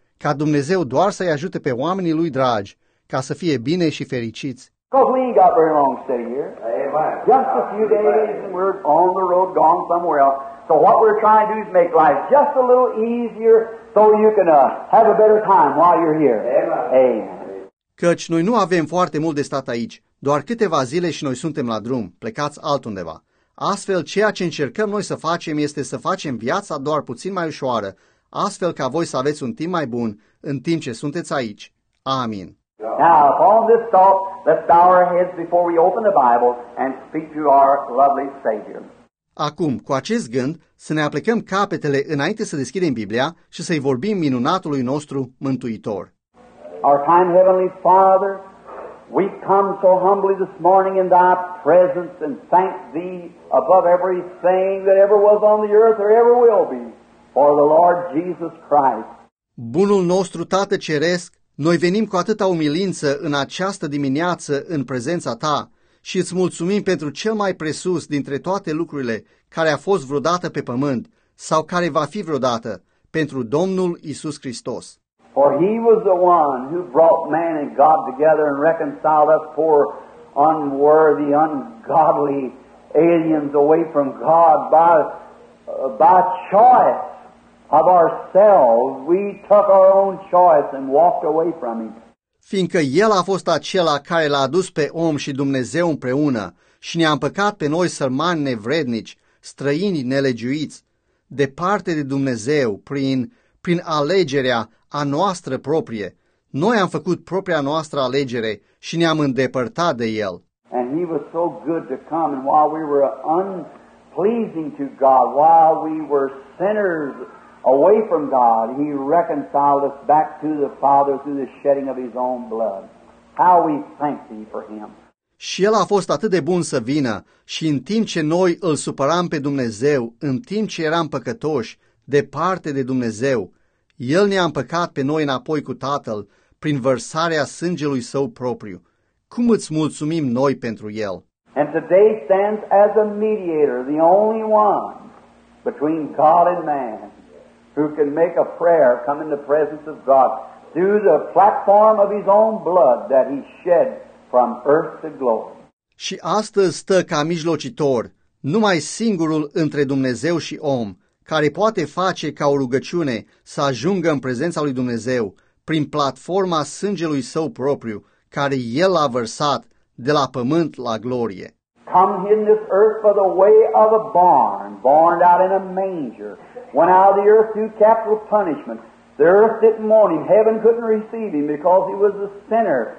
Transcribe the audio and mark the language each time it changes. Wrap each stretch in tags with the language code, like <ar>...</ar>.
<ro>Ca Dumnezeu doar să-i ajute pe oamenii lui dragi, ca să fie bine și fericiți.</ro> <en>Because we ain't got very long stay here. Amen. Just a few days and we're on the road, gone somewhere else. So what we're trying to do is make life just a little easier so you can have a better time while you're here. Amen. Amen.</en> <ro>Căci noi nu avem foarte mult de stat aici, doar câteva zile și noi suntem la drum, plecați altundeva. Astfel, ceea ce încercăm noi să facem este să facem viața doar puțin mai ușoară, astfel ca voi să aveți un timp mai bun în timp ce sunteți aici. Amin.</ro> <en>Now, upon this thought, let's bow our heads before we open the Bible and speak to our lovely Savior.</en> <ro>Acum, cu acest gând, să ne aplicăm capetele înainte să deschidem Biblia și să-i vorbim minunatului nostru Mântuitor.</ro> <en>Our kind Heavenly Father, we come so humbly this morning in Thy presence and thank Thee above everything that ever was on the earth or ever will be. For the Lord Jesus Christ.</en> <ro>Bunul nostru Tată Ceresc, noi venim cu atâta umilință în această dimineață în prezența Ta și îți mulțumim pentru cel mai presus dintre toate lucrurile care a fost vreodată pe pământ sau care va fi vreodată, pentru Domnul Iisus Hristos.</ro> <en>For He was the one who brought man and God together and reconciled us poor, unworthy, ungodly aliens away from God by choice. Of ourselves, we took our own choice and walked away from Him.</en> <ro>Fiindcă El a fost acela care l-a adus pe om și Dumnezeu împreună și ne-a împăcat pe noi sărmani nevrednici, străini nelegiuiți, departe de Dumnezeu prin alegerea a noastră proprie, noi am făcut propria noastră alegere și ne-am îndepărtat de El.</ro> <en>And He was so good to come, and while we were unpleasing to God, while we were sinners, away from God, He reconciled us back to the Father through the shedding of His own blood. How we thank Thee for Him.</en> <ro>Și El a fost atât de bun să vină și în timp ce noi îl supăram pe Dumnezeu, în timp ce eram păcătoși, departe de Dumnezeu, El ne-a împăcat pe noi înapoi cu Tatăl prin vărsarea sângelui Său propriu. Cum îți mulțumim noi pentru El?</ro> <en>And today stands as a mediator, the only one between God and man. Who can make a prayer come in the presence of God through the platform of His own blood that He shed from earth to glory.</en> <ro>Și astăzi stă ca mijlocitor, numai singurul între Dumnezeu și om, care poate face ca o rugăciune să ajungă în prezența lui Dumnezeu prin platforma sângelui său propriu, care el a vărsat de la pământ la glorie.</ro> <en>Come in this earth by the way of a barn, born out in a manger, went out of the earth through capital punishment. The earth didn't mourn him. Heaven couldn't receive him because he was a sinner.</en>